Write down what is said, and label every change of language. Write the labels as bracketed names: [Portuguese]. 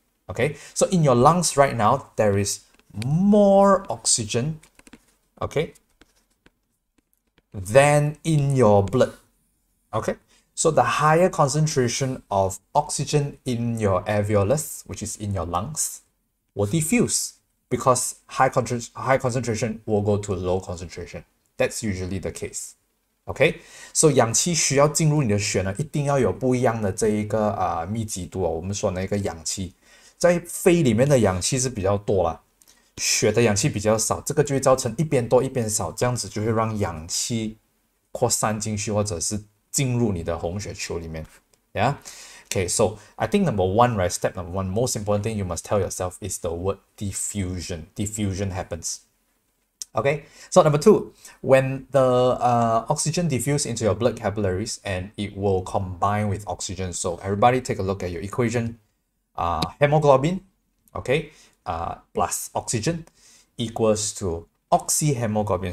[English] Okay, so in your lungs right now, there is more oxygen, okay, than in your blood. Okay, so the higher concentration of oxygen in your alveolus, which is in your lungs, will diffuse because high concentration will go to low concentration. That's usually the case. Okay? [Chinese] So 氧气需要进入你的血呢，一定要有不一样的这一个密集度哦。我们说那个氧气，在肺里面的氧气是比较多了，血的氧气比较少，这个就会造成一边多一边少，这样子就会让氧气扩散进去或者是进入你的红血球里面。Yeah? [English] Okay, so I think step number one, most important thing you must tell yourself is the word diffusion. Diffusion happens. Okay, so number two, when the oxygen diffuse into your blood capillaries and it will combine with oxygen. So everybody take a look at your equation. Hemoglobin, okay, plus oxygen equals to oxyhemoglobin.